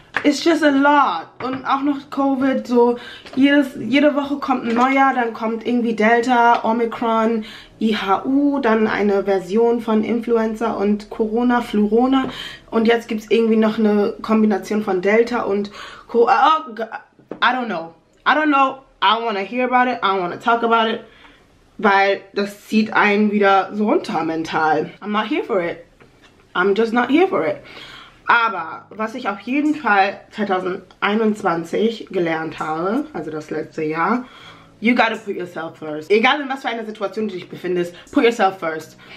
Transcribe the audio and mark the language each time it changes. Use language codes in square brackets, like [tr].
[en] It's just a lot. [de] Und auch noch Covid, so jede Woche kommt ein neuer, dann kommt irgendwie Delta, Omikron, IHU, dann eine Version von Influenza und Corona, Fluorona. Und jetzt gibt es irgendwie noch eine Kombination von Delta und [en] I don't know. I don't know. I wanna hear about it. I don't wanna talk about it. [de] Weil das zieht einen wieder so runter mental. [en] I'm not here for it. I'm just not here for it. [de] Aber was ich auf jeden Fall 2021 gelernt habe, also das letzte Jahr, [en] you gotta put yourself first. [de] Egal in was für einer Situation du dich befindest, [en] put yourself first.